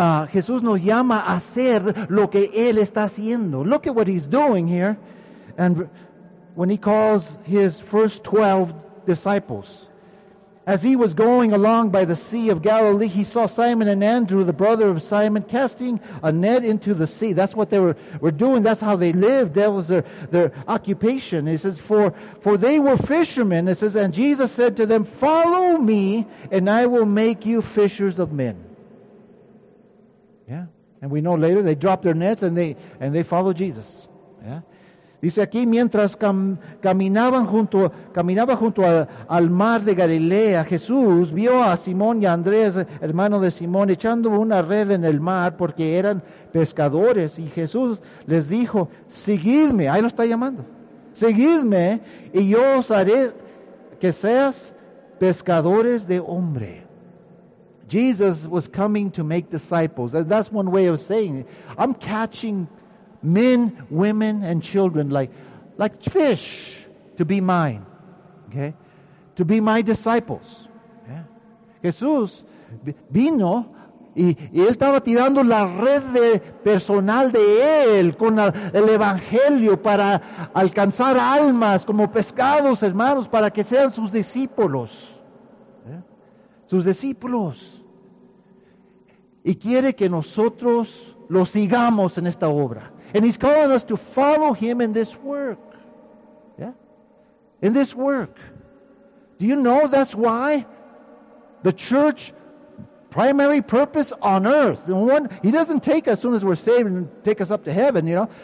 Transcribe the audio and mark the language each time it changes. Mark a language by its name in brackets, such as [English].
[Spanish] Jesús nos llama a hacer lo que él está haciendo. [English] Look at what he's doing here. And when he calls his first 12 disciples, as he was going along by the Sea of Galilee, he saw Simon and Andrew, the brother of Simon, casting a net into the sea. That's what they were doing. That's how they lived. That was their occupation. He says, for they were fishermen. It says, and Jesus said to them, follow me, and I will make you fishers of men. Yeah. And we know later they dropped their nets and they followed Jesus. Yeah. [Spanish] Dice aquí, mientras caminaba junto al mar de Galilea, Jesús vio a Simón y a Andrés, hermano de Simón, echando una red en el mar porque eran pescadores. Y Jesús les dijo, seguidme, ahí lo está llamando, seguidme y yo os haré que seas pescadores de hombre. [English] Jesus was coming to make disciples. That's one way of saying it. I'm catching men, women, and children, like fish, to be mine, okay? To be my disciples. Yeah. [Spanish] Jesús vino y él estaba tirando la red de personal de él con el evangelio para alcanzar almas como pescados, hermanos, para que sean sus discípulos. Yeah. Sus discípulos. Y quiere que nosotros lo sigamos en esta obra. [English] And he's calling us to follow him in this work. Yeah? In this work. Do you know that's why the church primary purpose on earth, one, he doesn't take as soon as we're saved and take us up to heaven, you know?